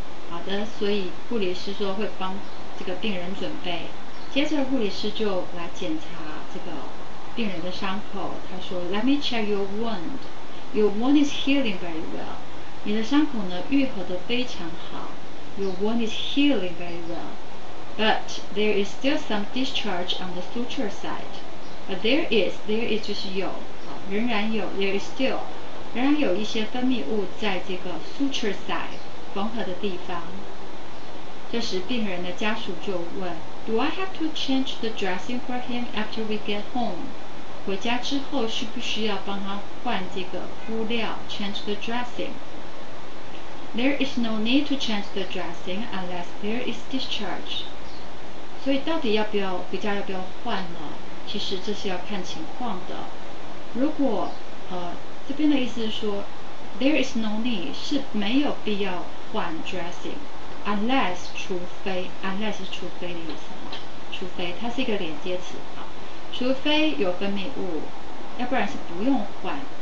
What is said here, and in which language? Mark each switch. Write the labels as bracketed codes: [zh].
[zh] 好的，所以护理师说会帮这个病人准备。接着护理师就来检查这个病人的伤口，他说 [en] Let me check your wound. Your wound is healing very well. [zh] 你的伤口呢愈合得非常好。 [en] Your wound is healing very well. But there is still some discharge on the suture side. But there is [zh] 就是有，仍然有， [en] there is still [zh] 仍然有一些分泌物在这个 [en] suture side [zh] 缝合的地方。这时病人的家属就问， [en] Do I have to change the dressing for him after we get home? [zh] 回家之后需不需要帮他换这个敷料 [en] change the dressing? There is no need to change the dressing unless there is discharge. [zh] 所以到底要不要比较要不要换呢？其实这是要看情况的。如果这边的意思是说 [en] there is no need [zh] 是没有必要换 dressing。 Unless 除非 ，unless 是除非的意思，除非它是一个连接词，除非有分泌物，要不然是不用换。